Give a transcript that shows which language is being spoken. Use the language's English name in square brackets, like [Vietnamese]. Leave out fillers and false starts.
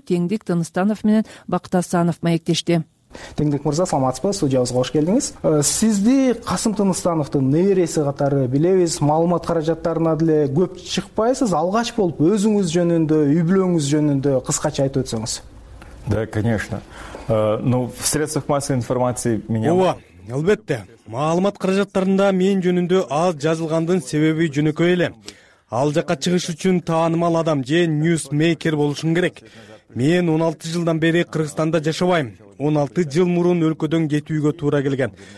[Kyrgyz] Теңдик Тыныстанов менен Бактасанов маектешти. Теңдик мырза, саламатсызбы? Студиябызга кош келдиңиз. Сизди Касым Тыныстановдун небереси катары билебиз, маалымат каражаттарына деле көп чыкпайсыз. Алгач болуп өзүңүз жөнүндө, үй бүлөңүз жөнүндө кыскача айтып өтсөңүз. [Russian] Да, конечно. В средствах массовой информации меня... [Kyrgyz] Ооба, албетте. Маалымат каражаттарында мен жөнүндө аз жазылгандын себеби жөнөкөй эле. Ал жакка чыгыш үчүн таанымал адам же ньюсмейкер болушум керек. Мен 16 жылдан бери Кыргызстанда жашабайм. 16 жыл мурун өлкөдөн кетүүгө туура келген.